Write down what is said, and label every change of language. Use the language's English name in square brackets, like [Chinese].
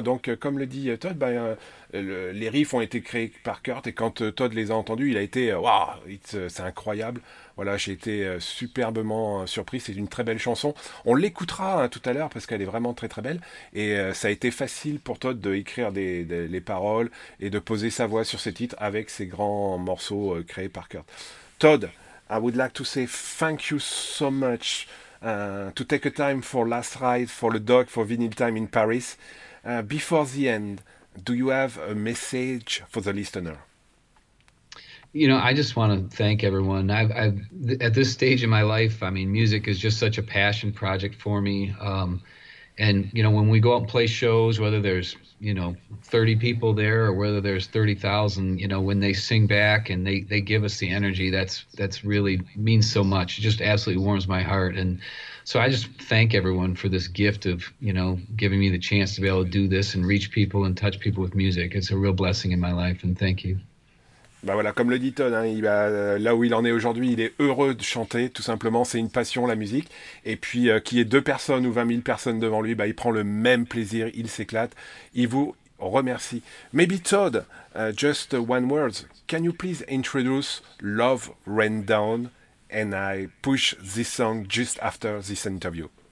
[French] Donc comme le dit Todd, les riffs ont été créés par Kurt et quand Todd les a entendus, il a été waouh, c'est incroyable. Voilà, j'ai été superbement surpris. C'est une très belle chanson. On l'écoutera hein, tout à l'heure parce qu'elle est vraiment très très belle. Et ça a été facile pour Todd de écrire les paroles et de poser sa voix sur ces titres avec ces grands morceaux créés par Kurt. [English] Todd, I would like to say thank you so much to take a time for last ride, for the dog, for vinyl time in Paris. Before the end, do you have a message for the listener? You know, I just want to thank everyone. At this stage in my life, I mean, music is just such a passion project for me. And you know, when we go out and play shows, whether there's, you know, 30 people there or whether there's 30,000, you know, when they sing back and they give us the energy, that's really means so much. It just absolutely warms my heart. And so I just thank everyone for this gift of, you know, giving me the chance to be able to do this and reach people and touch people with music. It's a real blessing in my life, and thank you. [French] Ben voilà, comme le dit Todd, hein, là où il en est aujourd'hui, il est heureux de chanter, tout simplement, c'est une passion la musique. Et puis, qu'il y ait 2 personnes ou 20 000 personnes devant lui, ben, il prend le même plaisir, il s'éclate, il vous remercie. [English] Maybe Todd, just one word, can you please introduce Love Rain Down and I push this song just after this interview?